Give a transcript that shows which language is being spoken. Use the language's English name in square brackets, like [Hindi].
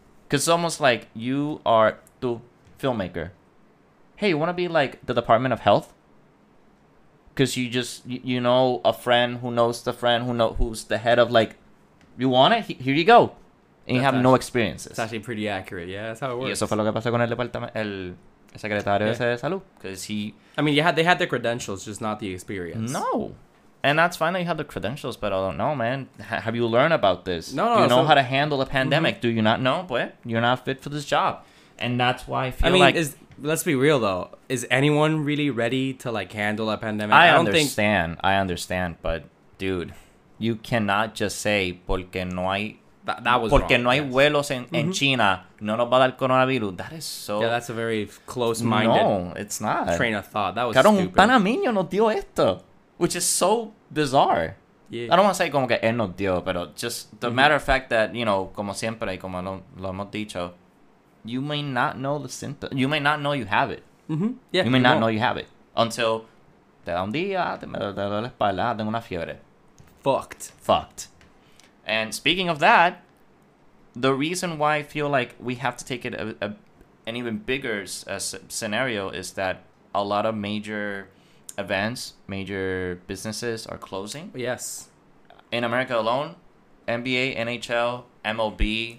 [English] Because it's almost like you are the filmmaker. Hey, you want to be, like, the Department of Health? Because you just, you know a friend who knows the friend who's the head of, like, you want it? Here you go. And you have no experiences. It's actually pretty accurate. Yeah, that's how it works. [Spanish] Y eso fue lo que pasó con el secretario de salud. [English] Because he... I mean, they had the credentials, just not the experience. No. And that's fine that you have the credentials, but I don't know, man. Have you learned about this? No, do you know how to handle a pandemic? Mm-hmm. Do you not know? [Spanish] Pues, [English] you're not fit for this job. And that's why I feel like... Let's be real, though. Is anyone really ready to, like, handle a pandemic? I understand, but, dude, you cannot just say, [Spanish] porque no hay... [English] That was [Spanish] porque [English] wrong. [Spanish] No hay vuelos en, mm-hmm. en China, no nos va a dar coronavirus. [English] That is so... Yeah, that's a very close-minded... No, it's not. ...train of thought. That was stupid. [Spanish] Un panameño nos dio esto, [English] which is so bizarre. Yeah. I don't want to say [Spanish] como que él nos dio, pero [English] just the mm-hmm. matter of fact that, you know, [Spanish] como siempre, y como lo hemos dicho, [English] you may not know the symptom. You may not know you have it. Mm-hmm. Yeah, you may not know you have it. [Spanish] Until, te da un día, te duele la espalda, tengo una fiebre. [English] Fucked. And speaking of that, the reason why I feel like we have to take it an even bigger scenario is that a lot of major events, major businesses are closing. Yes. In America alone, NBA, NHL, MLB.